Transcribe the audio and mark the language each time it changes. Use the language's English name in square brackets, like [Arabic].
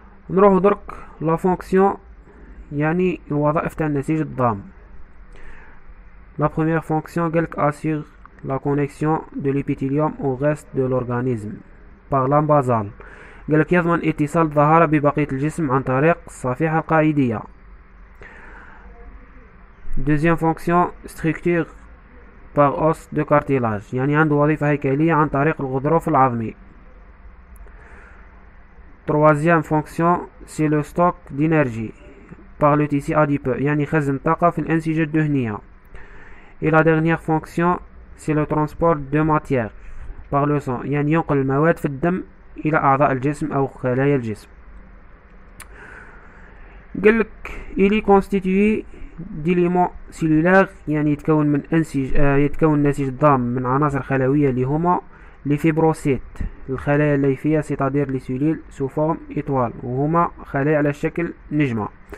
[Arabic] نروح درك لا فونكسيون، يعني الوظائف تاع النسيج الضام. لا بروميير فونكسيون قالك اسيغ لا كونيكسيون دو ليبيتيليوم او غاست دو لورغانيزم بار لامبازال، قالك يضمن اتصال الظهاره ببقيه الجسم عن طريق الصفيحه القائديه. [French] Deuxième fonction, structure par os de cartilage. [Arabic] يعني عنده وظيفة هيكلية عن طريق الغضروف العظمي. [French] Troisième fonction, c'est le stock d'énergie par le tissu adipeux. [Arabic] يعني خزن الطاقة في الأنسجة الدهنية. [French] Et la dernière fonction, c'est le transport de matière par le sang. [Arabic] يعني ينقل المواد في الدم إلى أعضاء الجسم أو خلايا الجسم. قلك إلي كونستيتوي ديليمون سيلولار، يعني يتكون من انسج يتكون نسيج الضام من عناصر خلويه اللي هما لي فيبروسيت، الخلايا الليفيه سيتادير لي سيلول سو فورم ايطوال، وهما خلايا على شكل نجمه.